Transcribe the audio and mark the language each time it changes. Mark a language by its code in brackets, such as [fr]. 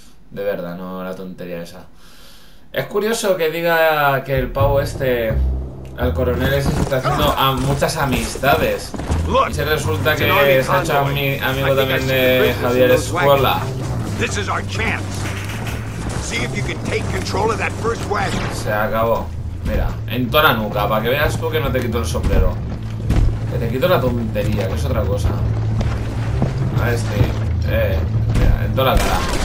[es] De verdad, no, la tontería esa. Es curioso que diga que el pavo este... Al coronel se está haciendo a muchas amistades. Y se resulta que se ha hecho amigo también de Javier Escuela. [en] This is our chance. See if you can take control of that first wagon. [es] Se acabó. Mira, en toda la nuca, para que veas tú que no te quito el sombrero. Que te quito la tontería, que es otra cosa. A este. Mira, en toda la cara.